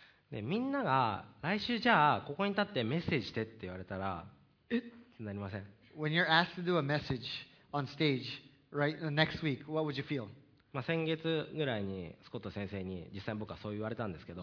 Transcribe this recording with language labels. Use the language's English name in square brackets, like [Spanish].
[Japanese] でみんなが来週じゃあここに立ってメッセージしてって言われたら、えっ？なりません。 [English] When you're asked to do a message on stage, right, next week, what would you feel? [Japanese] まあ、先月ぐらいにスコット先生に実際僕はそう言われたんですけど